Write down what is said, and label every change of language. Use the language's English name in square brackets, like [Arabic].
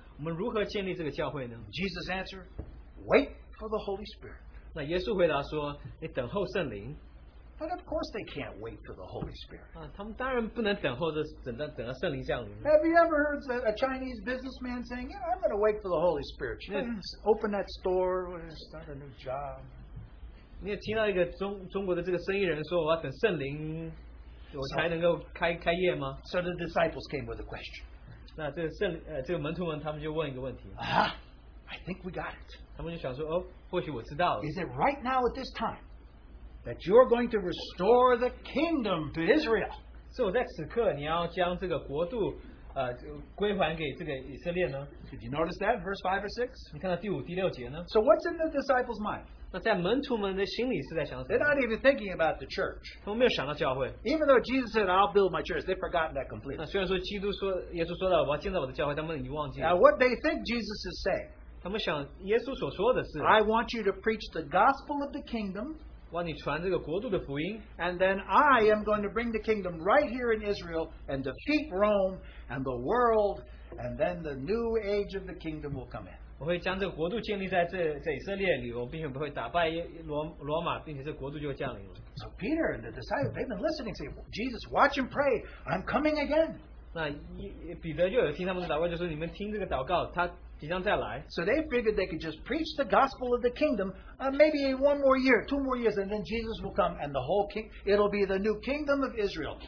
[Chinese] 在使徒们的心里面，他们在想说是，我们如何建立这个教会呢？ [English] Jesus answered, wait for the Holy Spirit. [Chinese] 那耶稣回答说，你等候圣灵。 [English] But of course they can't wait for the Holy Spirit. [Chinese] 他们当然不能等候着等到圣灵降临。 [English] Have you ever heard a Chinese businessman saying, yeah, I'm going to wait for the Holy Spirit. Open that store, start a new job. [Chinese] 你也听到一个中国的这个生意人说我要等圣灵我才能够开业吗? [English] So the disciples came with a question. [Chinese] 那这个门徒们他们就问一个问题。 [English] I think we got it. [Chinese] 他们就想说或许我知道了。 [English] Is it right now at this time? That you're going to restore the kingdom to Israel. [Chinese] So, 在此刻你要将这个国度归还给这个以色列呢? [English] Did you notice that, verse 5 or 6? [Chinese] 你看到第五、第六节呢? [English] So, what's in the disciples' mind? [Chinese] 那在门徒们的心里是在想什么? [English] They're not even thinking about the church. [Chinese] 他们没有想到教会。 [English] Even though Jesus said, I'll build my church, they've forgotten that completely. [Chinese] 那虽然说耶稣说了,我要建造我的教会, 他们已经忘记了。 [English] Now, what they think Jesus is saying, [Chinese] 他们想耶稣所说的是, [English] I want you to preach the gospel of the kingdom. And then I am going to bring the kingdom right here in Israel and defeat Rome and the world, and then the new age of the kingdom will come in. [Chinese] 我会将这个国度建立在这以色列里，我并且不会打败罗马，并且这国度就降临了。 [English] So Peter and the disciples, they've been listening, say, Jesus, watch and pray. I'm coming again. [Chinese] 那彼得就有听他们的祷告，就说你们听这个祷告，他。 [English] So they figured they could just preach the gospel of the kingdom maybe one more year, two more years, and then Jesus will come and the whole king, it'll be the new kingdom of Israel.